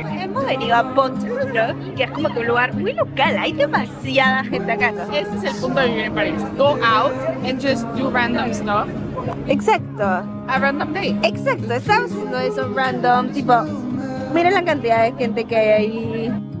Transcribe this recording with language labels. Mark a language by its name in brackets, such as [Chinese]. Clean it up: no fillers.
[Spanish] Hemos venido a Pont-Rock, que es como que un lugar muy local. Hay demasiada gente acá. Este es el punto de vivir en París. [English] Go out and just do random stuff. [Spanish] Exacto. [English] A random day. [Spanish] Exacto. Estamos haciendo eso random. Tipo, miren la cantidad de gente que hay ahí.